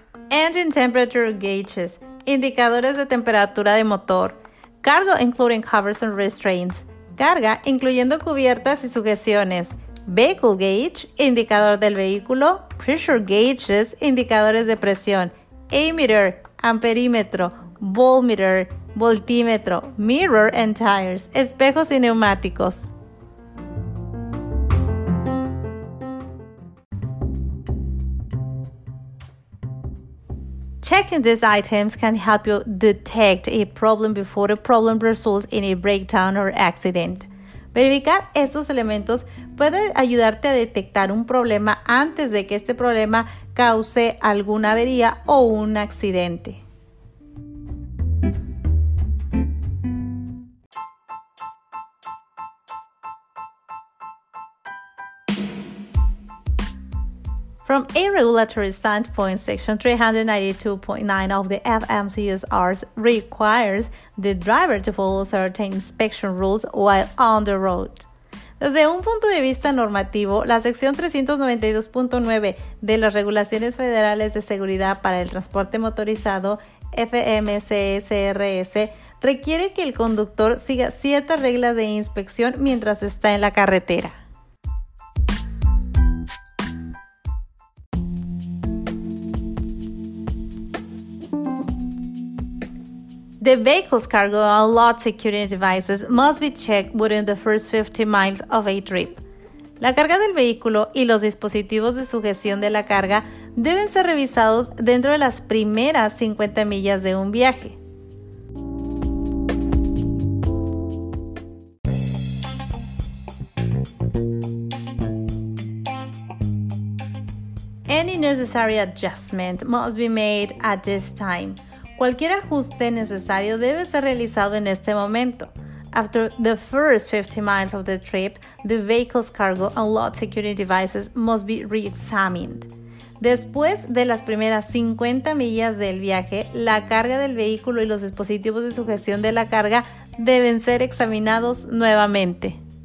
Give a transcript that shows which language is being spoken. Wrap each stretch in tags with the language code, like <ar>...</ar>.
<en>engine temperature gauges,</en> <es>indicadores de temperatura de motor,</es> <en>cargo including covers and restraints,</en> <es>carga incluyendo cubiertas y sujeciones,</es> <en>vehicle gauge,</en> <es>indicador del vehículo,</es> <en>pressure gauges,</en> <es>indicadores de presión, ammeter, amperímetro, voltmeter, voltímetro,</es> <en>mirror and tires,</en> <es>espejos y neumáticos.</es> <en>Checking these items can help you detect a problem before a problem results in a breakdown or accident.</en> <es>Verificar estos elementos puede ayudarte a detectar un problema antes de que este problema cause alguna avería o un accidente.</es> <en>From a regulatory standpoint, Section 392.9 of the FMCSRs requires the driver to follow certain inspection rules while on the road.</en> <es>Desde un punto de vista normativo, la sección 392.9 de las Regulaciones Federales de Seguridad para el Transporte Motorizado, FMCSRS, requiere que el conductor siga ciertas reglas de inspección mientras está en la carretera.</es> <en>The vehicle's cargo and load security devices must be checked within the first 50 miles of a trip.</en> <es>La carga del vehículo y los dispositivos de sujeción de la carga deben ser revisados dentro de las primeras 50 millas de un viaje.</es> <en>Any necessary adjustment must be made at this time.</en> <es>Cualquier ajuste necesario debe ser realizado en este momento.</es> <en>After the first 50 miles of the trip, the vehicle's cargo and load security devices must be re-examined.</en> <es>Después de las primeras 50 millas del viaje, la carga del vehículo y los dispositivos de sujeción de la carga deben ser examinados nuevamente.</es>